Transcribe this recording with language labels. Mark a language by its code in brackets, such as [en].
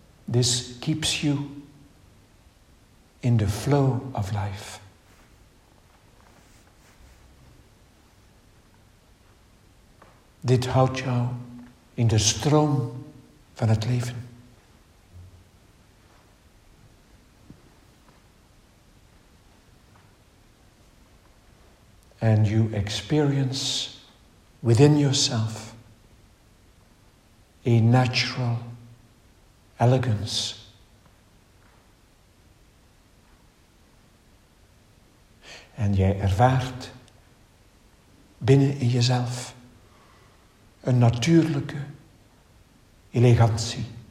[en] This keeps you in the flow of life. [nl] Dit houdt jou in de stroom van het leven. [en] And you experience within yourself a natural elegance. [nl] En jij ervaart binnen in jezelf een natuurlijke elegantie.